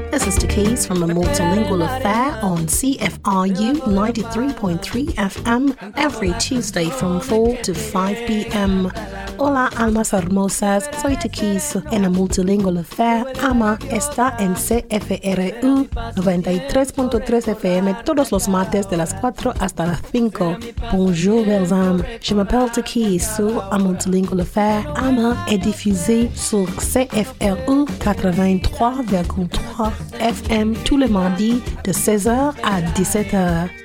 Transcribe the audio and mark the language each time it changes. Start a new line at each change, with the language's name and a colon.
English: This is the keys from the Multilingual Affair on CFRU 93.3 FM every Tuesday from 4 to 5 p.m.
Spanish: Hola, almas hermosas. Soy Tequis en la Multilingual Affair. Ama está en CFRU 93.3 FM todos los martes de las 4 hasta las 5.
French: Bonjour, mes amis. Je m'appelle Tequis sur la Multilingual Affair. Ama est diffusé sur CFRU 83.3 FM tous les mardis de 16h à 17h.